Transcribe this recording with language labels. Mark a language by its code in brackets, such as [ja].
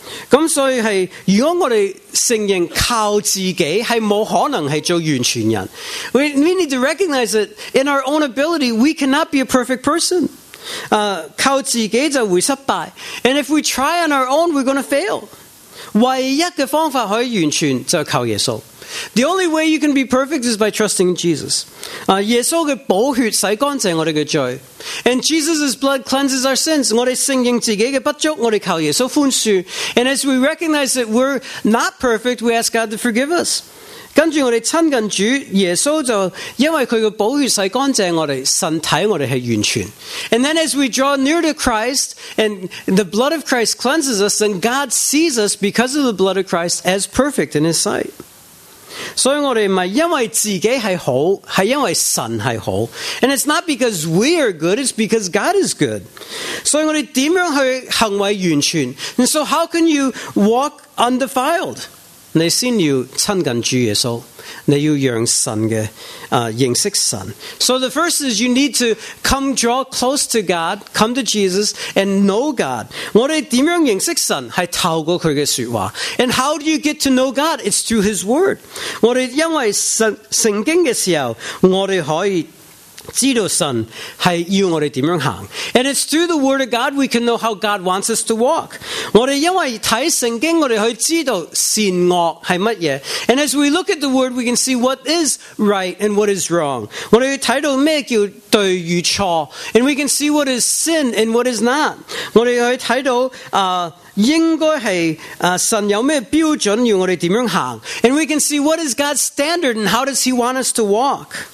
[yue] 咁所以系，如果我哋承认靠自己系冇可能系做完全人。 [en] We need to recognize that in our own ability, we cannot be a perfect person. [yue] 靠自己就会失败。 [en] And if we try on our own, we're going to fail. [yue] 唯一嘅方法可以完全就系靠耶稣。 [en] The only way you can be perfect is by trusting in Jesus. [yue] 耶稣嘅宝血洗干净我哋嘅罪。 [en] And Jesus' blood cleanses our sins. [yue] 我哋承认自己嘅不足，我哋靠耶稣宽恕。 [en] And as we recognize that we're not perfect, we ask God to forgive us. [yue] 跟住我哋亲近主耶稣，就因为佢嘅宝血洗干净我哋，神睇我哋系完全。 [en] And then as we draw near to Christ, and the blood of Christ cleanses us, then God sees us because of the blood of Christ as perfect in His sight. [yue] 所以我哋唔系因为自己系好，系因为神系好。 [en] And it's not because we are good, it's because God is good. [yue] 所以我哋点样去行为完全 [en] ？And so how can you walk undefiled? [yue] 你先要亲近主耶稣，你要让神嘅认识神。 [en] So the first is you need to come draw close to God, come to Jesus and know God. [yue] 我哋点样认识神系透过佢嘅说话。 [en] And how do you get to know God? It's through His Word. [yue] 我哋因为圣经嘅时候，我哋可以知道神系要我哋点样行。 [en] And it's through the Word of God we can know how God wants us to walk. [yue] 我哋因为睇圣经，我哋可以知道善恶系乜嘢。 [en] And as we look at the Word, we can see what is right and what is wrong. [yue] 我哋睇到咩叫对与错。 [en] And we can see what is sin and what is not. [yue] 我哋可以睇到应该是神有什么标准要我哋点样行。 [en] And we can see what is God's standard and how does He want us to walk.